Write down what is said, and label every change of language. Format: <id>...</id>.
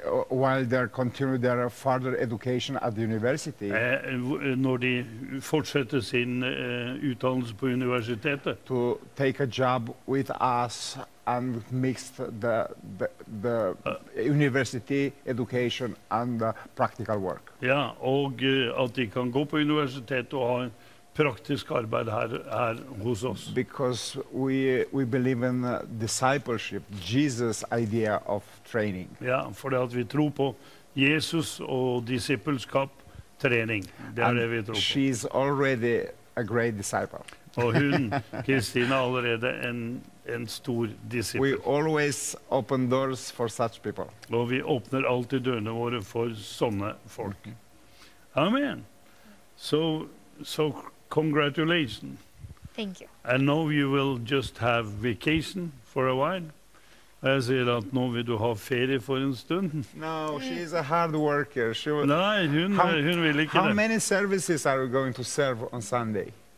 <en>While they continue their further education at the university.</en> <sv>När de fortsätter sin utbildning på universitetet.</sv> <en>To take a job with us and mix the university education and the practical work.</en> <sv>Ja, och att de kan gå på universitet och ha praktisk arbete här hos oss.</sv> <en>Because we believe in discipleship, Jesus idea of training.</en> <sv>Ja, för att vi tror på Jesus och discipleskap, träning. Det är det vi tror på.</sv> <en>She's already a great disciple.</en> <sv>Och hon, Kristina, allerede en stor disciple.</sv> <en>We always open doors for such people.</en> <sv>Och vi öppnar alltid dörrarna våra för såna folk.</sv> <en>Amen. So congratulations. Thank you. I know you will just have vacation for a while.</en> <sv>Jag ser att nu vill du ha ferie för en stund.</sv> <en>No, she is a hard worker. She will.</en> <sv>Nej, hon vill inte.</sv> <en>How many services are we going to serve on Sunday?</en>